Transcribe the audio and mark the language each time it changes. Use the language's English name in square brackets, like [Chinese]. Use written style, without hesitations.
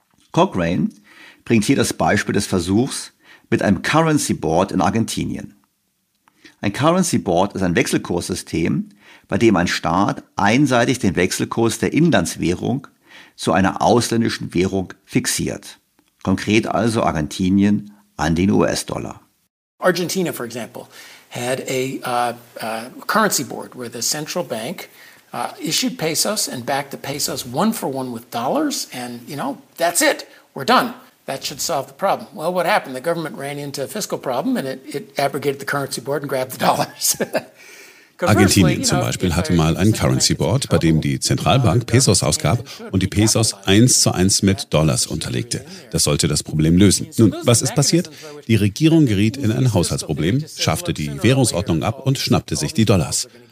[German] Cochrane bringt hier das Beispiel des Versuchs mit einem Currency Board in Argentinien. Ein Currency Board ist ein Wechselkurssystem, bei dem ein Staat einseitig den Wechselkurs der Inlandswährung zu einer ausländischen Währung fixiert. Konkret also Argentinien an den US-Dollar. [English] Argentina, for example, had a currency board where the central bank issued pesos and backed the pesos one for one with dollars, and you know, that's it. We're done. That should solve the problem. Well, what happened? The government ran into a fiscal problem and it abrogated the currency board and grabbed the dollars. [German] Argentinien zum Beispiel hatte mal ein Currency Board, bei dem die Zentralbank Pesos ausgab und die Pesos 1:1 mit Dollars unterlegte. Das sollte das Problem lösen. Nun, was ist passiert? Die Regierung geriet in ein Haushaltsproblem, schaffte die Währungsordnung ab und schnappte sich die Dollars.